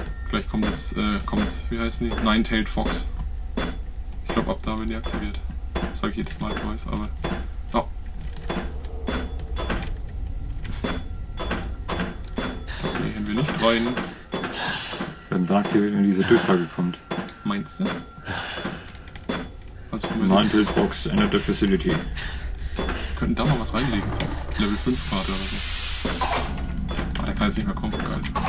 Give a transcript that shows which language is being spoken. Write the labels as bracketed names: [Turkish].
[German] Gleich kommt das, wie heißen die? Nine-Tailed Fox. Ich glaube, ab da werden die aktiviert. Das sag ich jedes Mal, ich weiß, aber. Oh! Da gehen wir nicht rein. Wenn da aktiviert, wenn diese Durchsage kommt. Meinst du? [English] Also, Mantle Fox entered the facility. [German] Wir könnten da mal was reinlegen, so. Level 5 gerade oder so. Ah, der kann jetzt nicht mehr kommen, geil.